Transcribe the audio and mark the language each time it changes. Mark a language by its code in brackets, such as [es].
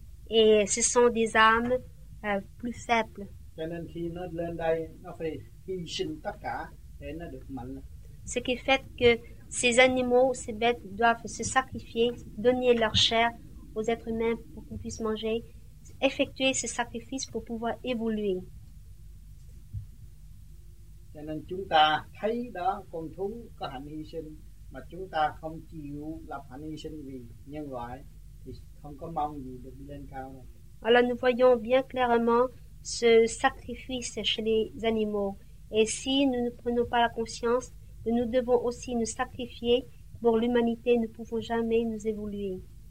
[fr] Et ce sont des âmes plus faibles. [vi] Cho nên khi nó lên đây, nó phải hy sinh tất cả để nó được mạnh. [fr] Ce qui fait que ces animaux, ces bêtes doivent se sacrifier, donner leur chair aux êtres humains pour qu'ils puissent manger, effectuer ce sacrifice pour pouvoir évoluer. [vi] Cho nên chúng ta thấy đó, con thú có hành hy sinh, mà chúng ta không chịu lập hành hy sinh vì nhân loại, thì không có mong gì được lên cao. [fr] Alors nous voyons bien clairement ce sacrifice chez les animaux. Et si nous ne prenons pas la conscience que nous devons aussi nous sacrifier pour l'humanité, nous ne pouvons jamais nous évoluer.